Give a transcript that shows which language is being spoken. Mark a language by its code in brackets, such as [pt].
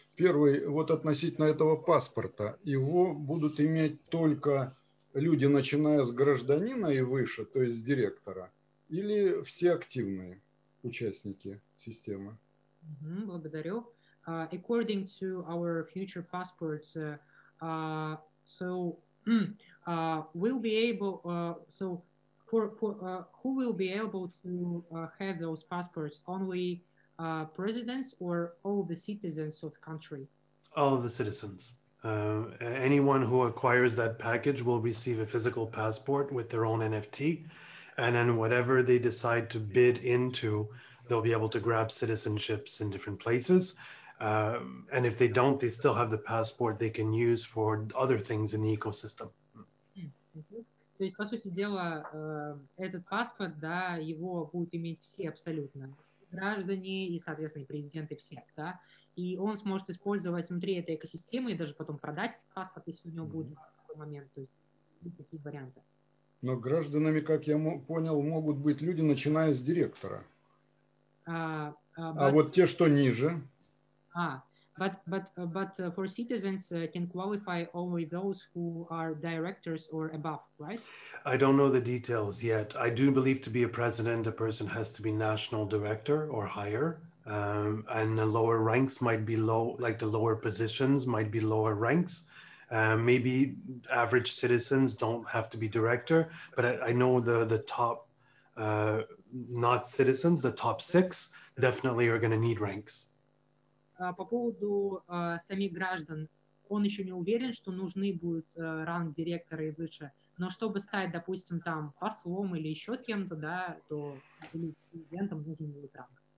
[ru] Первый, вот относительно этого паспорта. Его будут иметь только люди, начиная с гражданина и выше, то есть с директора. Или все активные участники системы? Mm-hmm, благодарю. [en] According to our future passports, who will be able to have those passports? Only presidents or all the citizens of the country? All the citizens. Anyone who acquires that package will receive a physical passport with their own NFT. And then whatever they decide to bid into, they'll be able to grab citizenships in different places. And if they don't, they still have the passport they can use for other things in the ecosystem. Mm-hmm. [ru] То есть, по сути дела, этот паспорт, да, его будут иметь все абсолютно. Граждане и, соответственно, президенты всех, да. И он сможет использовать внутри этой экосистемы и даже потом продать паспорт, если у него mm-hmm. будет такой момент. То есть, будут такие варианты. Но гражданами, как я понял, могут быть люди, начиная с директора. А вот те, что ниже. [en] But for citizens can qualify only those who are directors or above, right? I don't know the details yet. I do believe to be a president, a person has to be national director or higher. And the lower ranks might be low, like the lower positions might be lower ranks. Maybe average citizens don't have to be director, but I know the top, not citizens, the top 6 definitely are going to need ranks. [ru] по поводу самих граждан, он еще не уверен, что нужны будут ранг директора и выше, но чтобы стать, допустим, там послом или еще кем-то, да, то президентам нужен будет ранг.